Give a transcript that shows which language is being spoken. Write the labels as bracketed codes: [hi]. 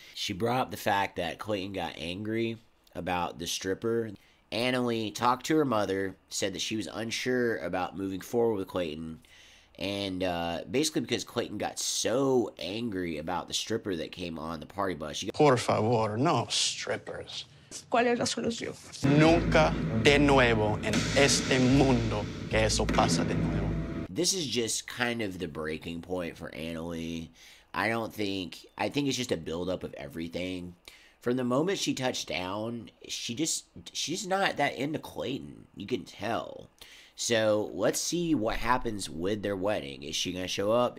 [en] She brought up the fact that Clayton got angry about the stripper. Anali talked to her mother, said that she was unsure about moving forward with Clayton, and basically because Clayton got so angry about the stripper that came on the party bus. [es] Por favor, no strippers. ¿Cuál es la solución? Nunca de nuevo en este mundo que eso pasa de nuevo. [en] This is just kind of the breaking point for Anali. I think it's just a buildup of everything. From the moment she touched down, she's not that into Clayton. You can tell. So let's see what happens with their wedding. Is she gonna show up?